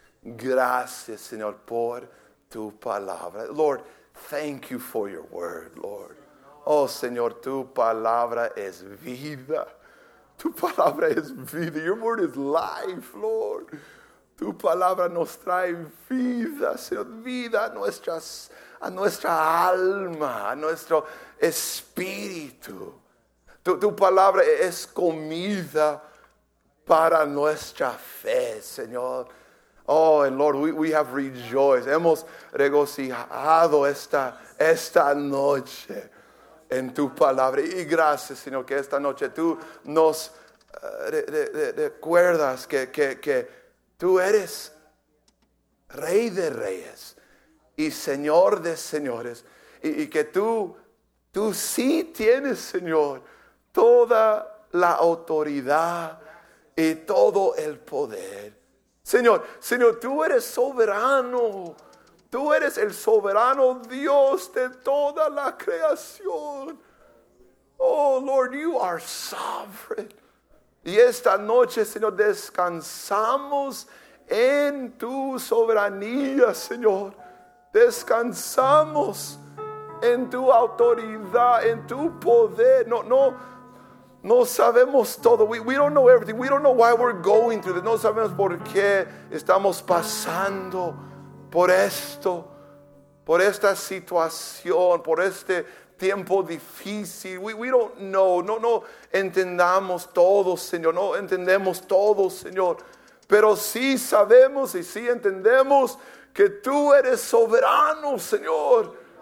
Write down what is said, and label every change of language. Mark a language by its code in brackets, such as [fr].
[es] Gracias, Señor, por tu palabra. [en] Lord, thank you for your word, Lord. [es] Oh, Señor, tu palabra es vida. Tu palabra es vida. [en] Your word is life, Lord. [es] Tu palabra nos trae vida, Señor. Vida a nuestra alma, a nuestro espíritu. Tu palabra es comida para nuestra fe, Señor. [en] Oh, and Lord, we have rejoiced. [es] Hemos regocijado esta noche en tu palabra. Y gracias, Señor, que esta noche tú nos recuerdas que tú eres Rey de Reyes y Señor de Señores. Y que tú sí tienes, Señor, toda la autoridad y todo el poder. Señor, tú eres soberano. Tú eres el soberano Dios de toda la creación. [en] Oh, Lord, you are sovereign. [es] Y esta noche, Señor, descansamos en tu soberanía, Señor. Descansamos en tu autoridad, en tu poder. No sabemos todo. [en] We don't know everything. We don't know why we're going through this. [es] No sabemos por qué estamos pasando por esto, por esta situación, por este tiempo difícil. [en] We don't know. [es] No entendamos todo, Señor. No entendemos todo, Señor. Pero sí sabemos y sí entendemos que tú eres soberano, Señor.